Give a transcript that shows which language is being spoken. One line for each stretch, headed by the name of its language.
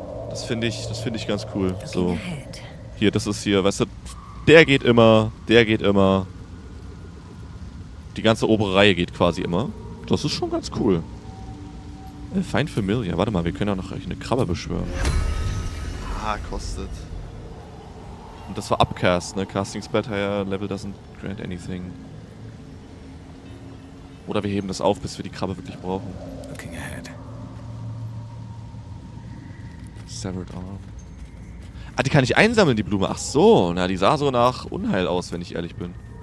German: Das finde ich ganz cool. So. Hier, das ist hier, weißt du, der geht immer. Die ganze obere Reihe geht quasi immer. Das ist schon ganz cool. Find Familiar. Warte mal, wir können ja noch eine Krabbe beschwören. Ah, kostet. Und das war Upcast, ne?
English: Casting Spell Higher Level doesn't grant anything.
German: Oder wir heben das auf, bis wir die Krabbe wirklich brauchen.
English: Looking ahead. Severed Arm.
German: Ah, die kann ich einsammeln, die Blume. Ach so, na, die sah so nach Unheil aus, wenn ich ehrlich bin.